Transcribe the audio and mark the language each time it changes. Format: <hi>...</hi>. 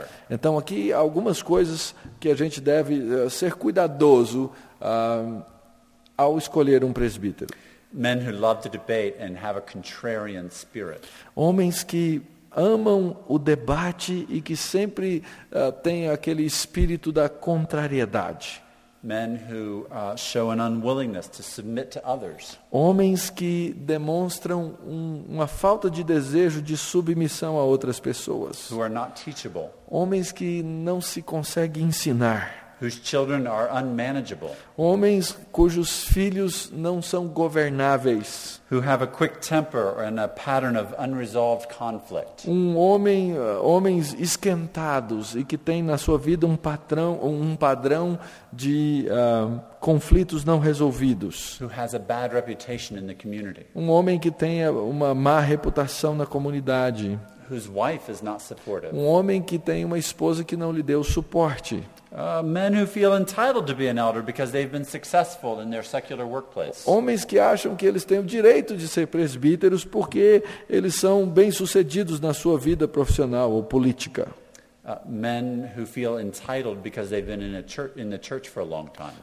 <pt>Então aqui algumas coisas que a gente deve ser cuidadoso ao escolher um presbítero.</pt> <en>Men who love to debate and have a contrarian spirit.</en> <pt>Homens que amam o debate e que sempre têm aquele espírito da contrariedade.</pt> <en>Men who show an unwillingness to submit to others.</en> <pt>Homens que demonstram uma falta de desejo de submissão a outras pessoas.</pt> <en>Who are not teachable.</en> <pt>Homens que não se conseguem ensinar.</pt> <en>Whose children are unmanageable.</en> <pt>Homens cujos filhos não são governáveis.</pt> <en>Who have a quick temper and a pattern of unresolved conflict.</en> <pt>Homens esquentados e que têm na sua vida um padrão de conflitos não resolvidos.</pt> <en>Who has a bad reputation in the community.</en> <pt>Um homem que tenha uma má reputação na comunidade.</pt> <en>Whose wife is not supportive.</en> <pt>Um homem que tem uma esposa que não lhe deu suporte.</pt> <en>Men who feel entitled to be an elder because they've been successful in their secular workplace.</en> <pt>Homens que acham que eles têm o direito de ser presbíteros porque eles são bem-sucedidos na sua vida profissional ou política.</pt> <en>Men who feel entitled because they've been in the church for a long time.</en>